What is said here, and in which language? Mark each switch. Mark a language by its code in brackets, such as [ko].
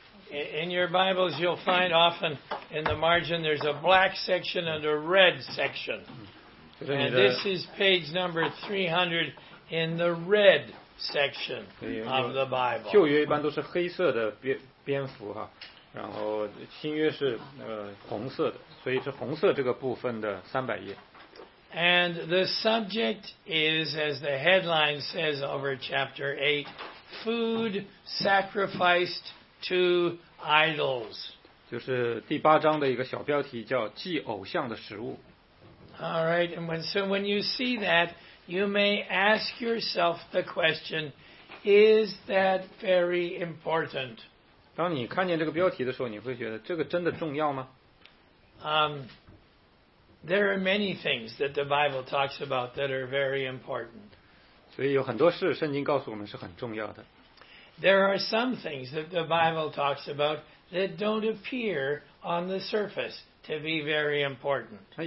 [en] In your Bibles, you'll find often in the margin there's a black section and a red section. And this is page number 300 in the red section of the Bible. [zh] 旧约一般都是黑色的蝙蝠，然后新约是红色的，所以是红色这个部分的300页。 [en] And the subject is, as the headline says over chapter 8, food sacrificed to idols. [zh] 就是第八章的一个小标题叫祭偶像的食物。 [en] All right, and when you see that, you may ask yourself the question, is that very important? [zh] 当你看见这个标题的时候，你会觉得这个真的重要吗？ [en] There are many things that the Bible talks about that are very important. [zh] 所以有很多事圣经告诉我们是很重要的。 [en] There are some things that the Bible talks about that don't appear on the surface to be very important.